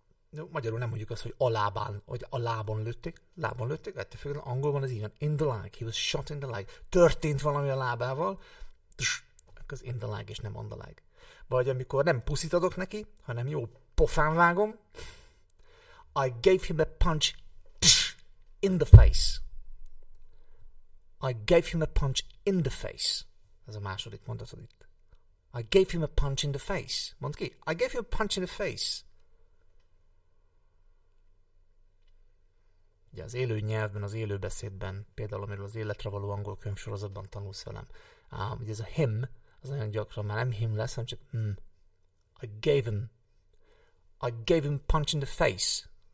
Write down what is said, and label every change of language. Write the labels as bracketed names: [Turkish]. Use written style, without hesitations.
[Hungarian] No, magyarul nem mondjuk azt, hogy a lábán, hogy a lábon lőtték. Lábon lőtték, ettől függetlenül angolban ez így van. [English] In the leg. He was shot in the leg. [Hungarian] Történt valami a lábával. Akkor az [English] in the leg, [Hungarian] és nem [English] on the leg. [Hungarian] Vagy amikor nem puszit adok neki, hanem jó pofán vágom. [English] I gave him a punch in the face. I gave him a punch in the face. [Hungarian] Ez a második mondatod itt. [English] I gave him a punch in the face. [Hungarian] Mondd ki. [English] I gave him a punch in the face. [Hungarian] Ugye az élő nyelvben, az élő beszédben, például amiről az életre való angol könyvsorozatban tanulsz velem, ugye ez a him, az nagyon gyakran már nem him lesz, hanem csak hm. [English] I gave him punch in the face.